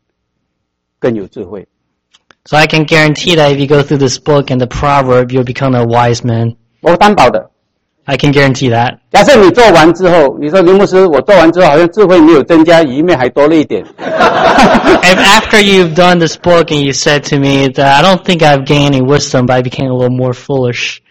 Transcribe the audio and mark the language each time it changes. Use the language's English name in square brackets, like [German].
[Chinese] 意思说做完这本书，我可以担保你一定更有智慧。 [English] So I can guarantee that if you go through this book and the proverb, you'll become a wise man. [Chinese] 我担保的。 [English] I can guarantee that. [Chinese] 假设你做完之后，你说林牧师，我做完之后好像智慧没有增加，愚昧还多了一点。 [English] If after you've done this book and you said to me that I don't think I've gained any wisdom, but I became a little more foolish.